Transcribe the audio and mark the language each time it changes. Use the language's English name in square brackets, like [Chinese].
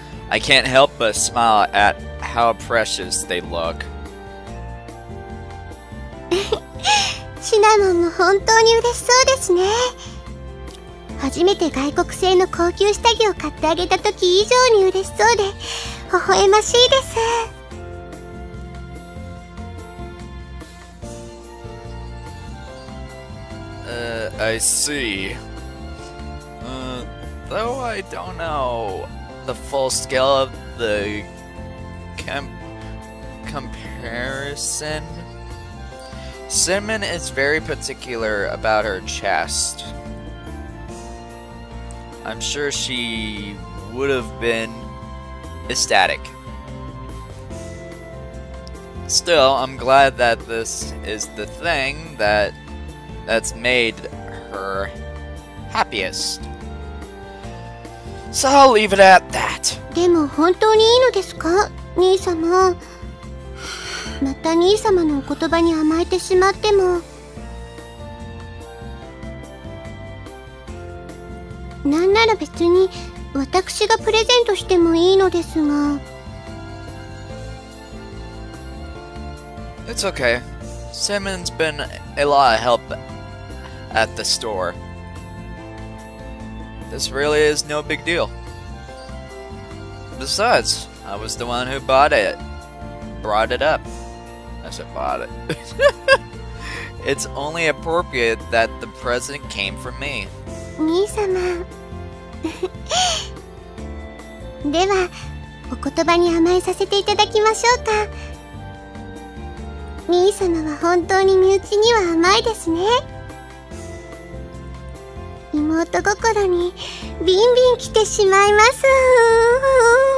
[English] I can't help but smile at how precious they look. [Japanese] シナモンも本当に嬉しそうですね。初めて外国製の高級下着を買ってあげた時以上に嬉しそうで、微笑ましいです。 [English] I see. Though I don't know the full scale of the comparison, Cinnamon is very particular about her chest. I'm sure she would have been ecstatic. Still, I'm glad that this is the thing that's made her happiest. So I'll leave it at that. [Japanese] でも本当にいいのですか、兄様。また兄様のお言葉に甘えてしまっても。なんなら別に私がプレゼントしてもいいのですが。 [English] It's okay. Simon's been a lot of help at the store. This really is no big deal. Besides, I was the one who bought it. Brought it up. I said bought it. It's only appropriate that the present came from me. [Japanese] 兄様。では、お言葉に甘えさせていただきましょうか。兄様は本当に身内には甘いですね。妹心にビンビン来てしまいます。